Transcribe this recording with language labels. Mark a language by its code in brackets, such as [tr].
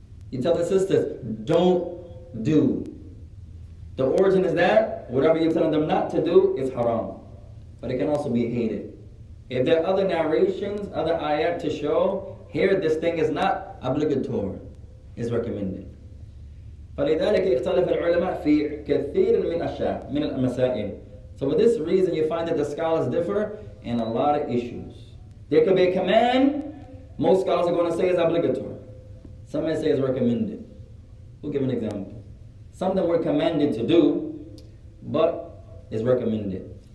[en] You tell the sisters, don't do. The origin is that whatever you're telling them not to do is haram, but it can also be hated. If there are other narrations, other ayat to show, here this thing is not obligatory, it's recommended. [ar] فلذلك اختلف العلماء في كثير من الأشياء من المسائل. [en] So for this reason, you find that the scholars differ in a lot of issues. There could be a command, most scholars are going to say is obligatory. Some may say is recommended. We'll give an example. Something we're commanded to do, but is recommended.